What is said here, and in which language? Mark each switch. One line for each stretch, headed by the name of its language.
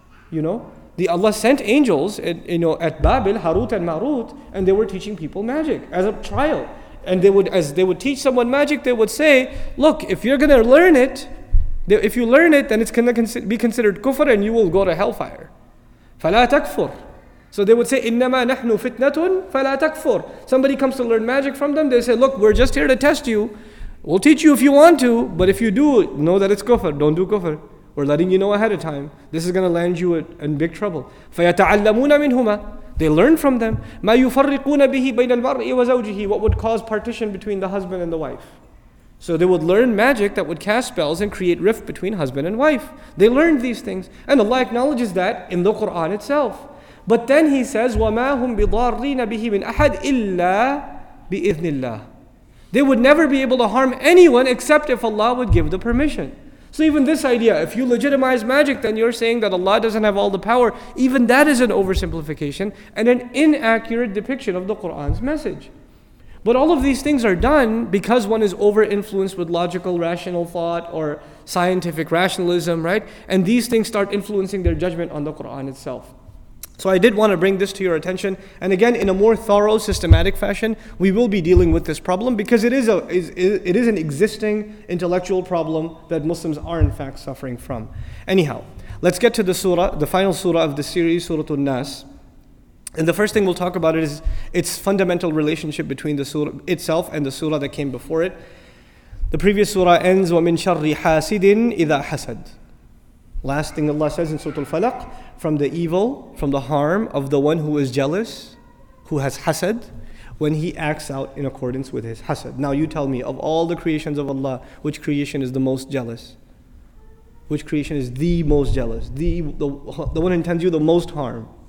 English: You know, Allah sent angels at Babel, Harut and Marut, and they were teaching people magic as a trial. And as they would teach someone magic, they would say, look, if you're going to learn it, if you learn it, then it's going to be considered kufr and you will go to hellfire.
Arabic: فَلَا تَكْفُرْ.
English: So they would say,
Arabic: إِنَّمَا نَحْنُ فِتْنَةٌ فَلَا تَكْفُرْ.
English: Somebody comes to learn magic from them, they say, look, we're just here to test you. We'll teach you if you want to, but if you do, know that it's kufr. Don't do kufr. We're letting you know ahead of time. This is going to land you in big trouble.
Arabic: فَيَتَعَلَّمُونَ مِنْهُمَا.
English: They learn from them.
Arabic: مَا يُفَرِّقُونَ بِهِ بَيْنَ الْمَرْءِ وَزَوْجِهِ.
English: What would cause partition between the husband and the wife? So they would learn magic that would cast spells and create rift between husband and wife. They learned these things. And Allah acknowledges that in the Quran itself. But then He says,
Arabic: وَمَا هُمْ بِضَارِّينَ بِهِ مِنْ أَحَدٍ إِلَّا بِإِذْنِ اللَّهِ.
English: They would never be able to harm anyone except if Allah would give the permission. So even this idea, if you legitimize magic, then you're saying that Allah doesn't have all the power. Even that is an oversimplification and an inaccurate depiction of the Quran's message. But all of these things are done because one is over-influenced with logical, rational thought or scientific rationalism, right? And these things start influencing their judgment on the Quran itself. So I did want to bring this to your attention. And again, in a more thorough, systematic fashion, we will be dealing with this problem because it is an existing intellectual problem that Muslims are in fact suffering from. Anyhow, let's get to the surah, the final surah of the series, Surah An-Nas. And the first thing we'll talk about is its fundamental relationship between the surah itself and the surah that came before it. The previous surah ends,
Arabic: وَمِن شَرِّ حَاسِدٍ إِذَا حَسَدٍ.
English: Last thing Allah says in Surah Al-Falaq, from the evil, from the harm of the one who is jealous, who has hasad, when he acts out in accordance with his hasad. Now you tell me, of all the creations of Allah, which creation is the most jealous? Which creation is the most jealous? The one who intends you the most harm?